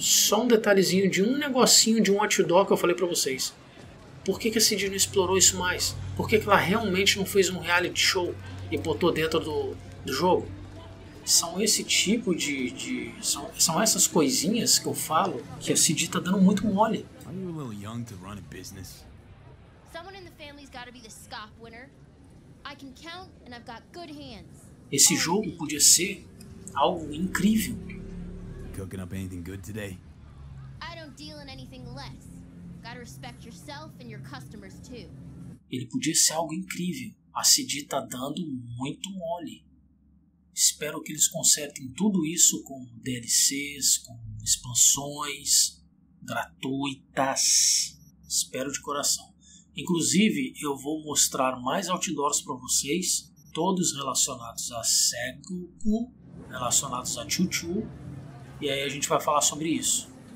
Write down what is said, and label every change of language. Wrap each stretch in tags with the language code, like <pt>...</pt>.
<pt>Só um detalhezinho de um negocinho de um outdoor que eu falei pra vocês. Por que que a Cindy não explorou isso mais? Por que que ela realmente não fez um reality show e botou dentro do jogo? São esse tipo de são essas coisinhas que eu falo que a Cindy tá dando muito mole.</pt> <en>Are you a little young to run a business? Someone in the family's gotta be the scoff winner. I can count and I've got good hands.</en> <pt>Esse jogo podia ser algo incrível.</pt> <en>Cooking up anything good today? I don't deal in anything less. Gotta respect yourself and your customers too.</en> <pt>Ele podia ser algo incrível. A Cindy tá dando muito mole. Espero que eles consertem tudo isso com DLCs, com expansões gratuitas. Espero de coração. Inclusive, eu vou mostrar mais outdoors para vocês, todos relacionados a Sengoku, relacionados a Chuchu, e aí a gente vai falar sobre isso.</pt>